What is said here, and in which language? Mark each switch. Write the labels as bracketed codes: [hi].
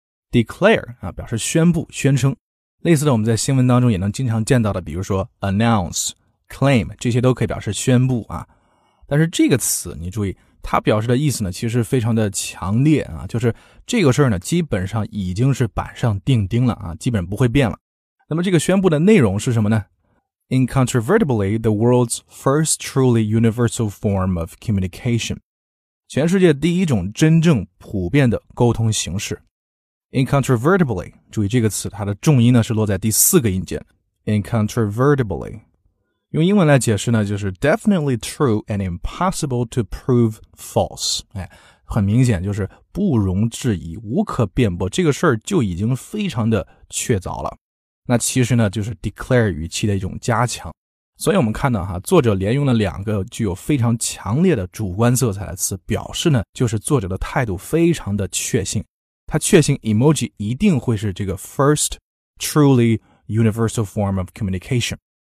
[zh] declare 啊，表示宣布、宣称。类似的，我们在新闻当中也能经常见到的，比如说 announce、claim 这些都可以表示宣布啊。但是这个词，你注意。它表示的意思呢其实非常的强烈啊，就是这个事儿呢基本上已经是板上钉钉了啊，基本不会变了。那么这个宣布的内容是什么呢？ [en] Incontrovertibly, the world's first truly universal form of communication. [zh] 全世界第一种真正普遍的沟通形式。 Incontrovertibly, 注意这个词它的重音呢是落在第四个音节。 [en] Incontrovertibly. 用英文来解释呢，就是 definitely true and impossible to prove false。 [zh] 哎，很明显就是不容置疑，无可辩驳，这个事儿就已经非常的确凿了。那其实呢，就是 declare 语气的一种加强。所以我们看到哈，作者连用了两个具有非常强烈的主观色彩的词，表示呢，就是作者的态度非常的确信，他确信 emoji 一定会是这个 first truly universal form of communication。